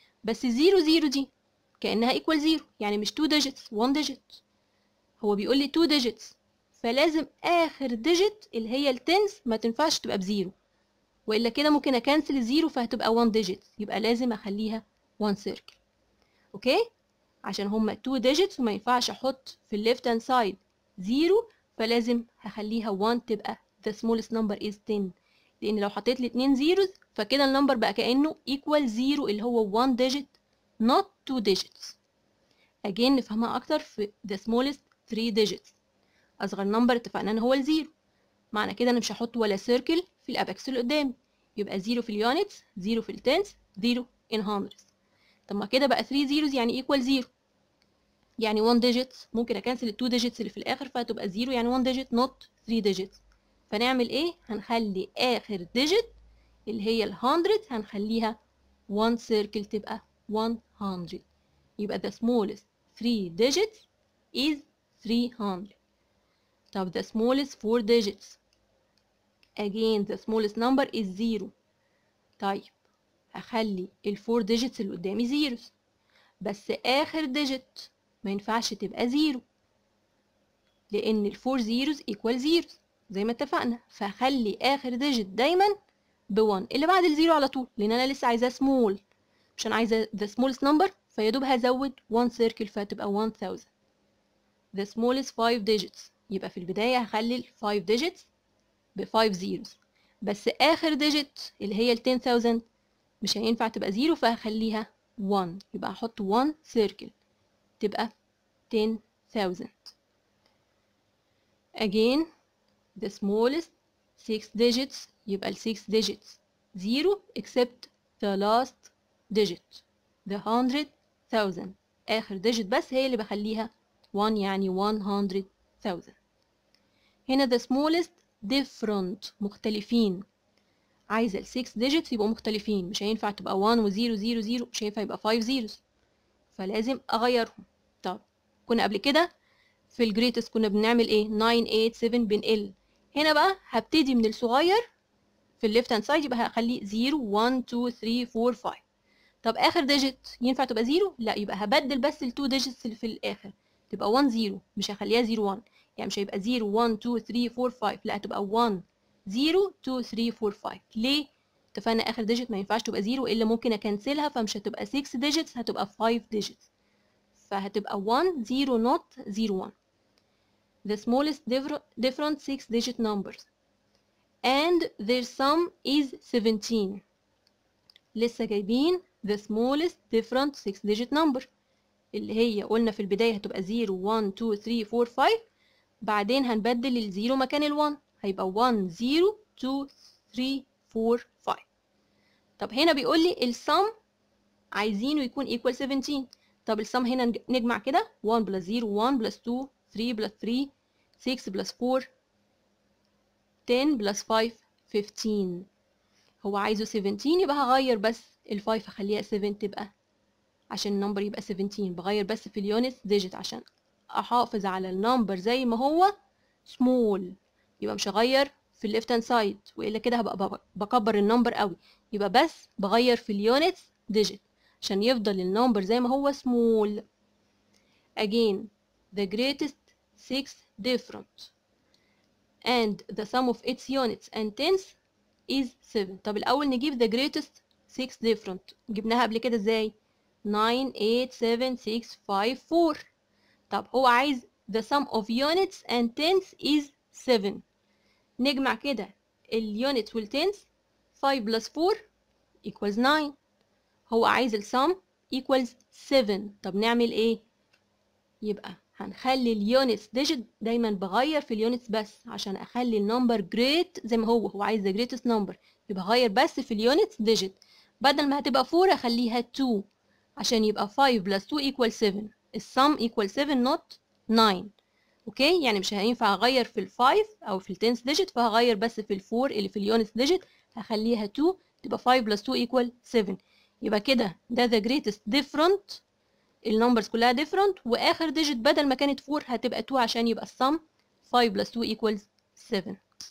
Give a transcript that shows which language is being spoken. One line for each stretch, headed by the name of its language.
Arabic: بس زيرو زيرو دي كأنها equal zero, يعني مش two digits, one digit. هو بيقول لي two digits فلازم آخر digit اللي هي التنس ما تنفعش تبقى بزيرو, وإلا كده ممكن أكنسل الزيرو فهتبقى one digit, يبقى لازم أخليها one circle. أوكي, عشان هما two digits وما ينفعش أحط في left hand side zero, فلازم هخليها one, تبقى
English: the smallest number is ten.
Arabic: لأن لو حطيت الاتنين zeros فكده النمبر بقى كأنه equal zero اللي هو one digit not two digits. again نفهمها أكتر في
English: the smallest three digits,
Arabic: أصغر نمبر اتفقنا أنه هو الزيرو, معنى كده أنا مش هحط ولا circle في الأباكس اللي قدامي, يبقى zero في units, zero في tens, zero in hundreds. طب ما كده بقى three zeros يعني equal zero, يعني one digits, ممكن أكنسل two digits اللي في الآخر فهتبقى zero, يعني one digit not three digits. فنعمل ايه؟ هنخلي اخر digit اللي هي ال 100 هنخليها one circle, تبقى 100.
English: يبقى the smallest 3 digits is 300. طب the smallest 4 digits, again the smallest number is 0.
Arabic: طيب هخلي ال 4 digits اللي قدامي zeros, بس اخر digit ما ينفعش تبقى 0 لان ال 4 zeros equal 0 زي ما اتفقنا, فخلي اخر ديجيت دايما ب1 اللي بعد الزيرو على طول, لان انا لسه عايزاه سمول, مش انا عايزه ذا سمولست نمبر, فيدوب هزود 1 سيركل فهتبقى 1000. ذا سمولست 5 ديجيتس, يبقى في البدايه هخلي ال5 ديجيتس ب5 زيروز, بس اخر ديجيت اللي هي ال10000 مش هينفع تبقى زيرو فهخليها 1, يبقى هحط 1 سيركل تبقى 10000.
English: again the smallest 6 digits, يبقى ال 6 digits 0 except the last digit the 100,000, آخر digit
Arabic: بس هي اللي بخليها
English: 1, يعني 100,000.
Arabic: هنا
English: the smallest different
Arabic: مختلفين, عايز ال 6 digits يبقوا مختلفين, مش هينفع تبقى 1 و 0 0 0, مش هينفع يبقى 5 zeros فلازم أغيرهم. طب كنا قبل كده في ال greatest كنا بنعمل ايه؟ 9 8 7 بنقل. هنا بقى هبتدي من الصغير في ال left hand side, يبقى هخلي 0 1 2 3 4 5. طب اخر digit ينفع تبقى 0؟ لا, يبقى هبدل بس ال 2 digits اللي في الاخر تبقى 1 0, مش هخليها 0 1, يعني مش هيبقى 0 1 2 3 4 5, لا هتبقى 1 0 2 3 4 5. ليه؟ اتفقنا اخر digit ما ينفعش تبقى 0 الا ممكن اكنسلها, فمش هتبقى 6 digits هتبقى 5 digits, فهتبقى 1 0 not 0 1.
English: The smallest different 6 digit numbers and their sum is 17.
Arabic: لسه جايبين the smallest different 6 digit number اللي هي قلنا في البداية هتبقى 0 1 2 3 4 5, بعدين هنبدل ال 0 مكان ال 1 هيبقى 1 0 2 3 4 5. طب هنا بيقول لي ال sum عايزينه يكون equal 17. طب ال sum هنا نجمع كده 1 plus 0 1 plus 2 3 plus 3 6 plus 4 10 plus 5 15. هو عايزه 17, يبقى هغير بس ال 5 اخليها 7 تبقى عشان النمبر يبقى 17، بغير بس في اليونت ديجيت عشان احافظ على النمبر زي ما هو سمول، يبقى مش هغير في الليفت هاند سايد، والا كده هبقى بكبر النمبر قوي. يبقى بس بغير في اليونت ديجيت عشان يفضل النمبر زي ما هو سمول.
English: Again, the greatest 6 different and the sum of its units and tens is 7.
Arabic: طب الاول نجيب
English: the greatest 6 different،
Arabic: جبناها قبل كده ازاي؟ 9 8 7 6 5 4. طب هو عايز
English: the sum of units and tens is 7.
Arabic: نجمع كده اليونتس والتنس، 5 + 4 = 9. هو عايز السم equals 7. طب نعمل ايه؟ يبقى هنخلي اليونتس ديجيت دايما بغير في اليونتس بس عشان اخلي النمبر جريت زي ما هو، هو عايز
English: the greatest number،
Arabic: يبقى غير بس في اليونتس ديجيت. بدل ما هتبقى 4 اخليها 2 عشان يبقى 5 + 2 = 7.
English: السم equal 7 not 9.
Arabic: اوكي، يعني مش هينفع اغير في الفايف او في التنس ديجيت، فهغير بس في الفور اللي في اليونتس ديجيت، هخليها 2 تبقى 5 + 2 = 7. يبقى كده ده
English: the greatest different،
Arabic: النمبرز كلها different، واخر ديجيت بدل ما كانت 4 هتبقى 2 عشان يبقى السم 5 + 2 = 7.